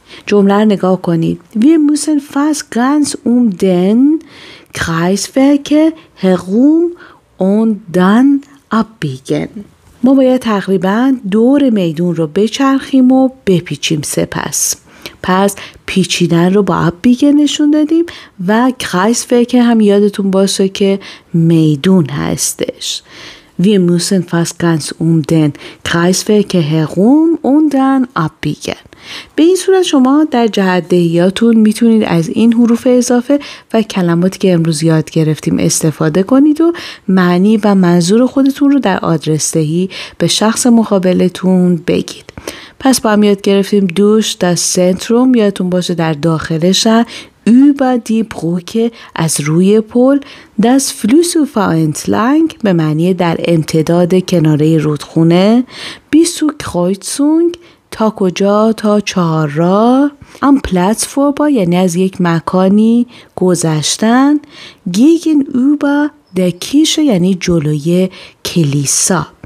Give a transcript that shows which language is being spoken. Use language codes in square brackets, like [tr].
[fa] جمله رو نگاه کنید. [de] وی موسن فاس گانز اوم دن کرایسفرکه هروم اون دن ابیگن. [fa] ما باید تقریبا دور میدون رو بچرخیم و بپیچیم سپس. پس پیچیدن رو با ابیگن نشون دادیم و کرایسفرکه هم یادتون باشه که میدون هستش. [de] Wir müssen fast ganz um den Kreisweg herum und dann abbiegen. [fa] به این صورت شما در جهت‌دهی‌هاتون میتونید از این حروف اضافه و کلماتی که امروز یاد گرفتیم استفاده کنید و معنی و منظور خودتون رو در آدرس دهی به شخص مقابلتون بگید. پس با هم یاد گرفتیم دوش در سنتروم، یادتون باشه در داخل شهر، [de] über die Brücke [fa] از روی پل، [de] das Flussufer entlang [fa] به معنی در امتداد کناره رودخونه، [de] bis zur Kreuzung [fa] تا کجا، تا چهارراه، [de] am Platz vorbei [fa] یعنی از یک مکانی گذشتن، [de] gegenüber der Kirche [fa] یعنی جلوی کلیسا.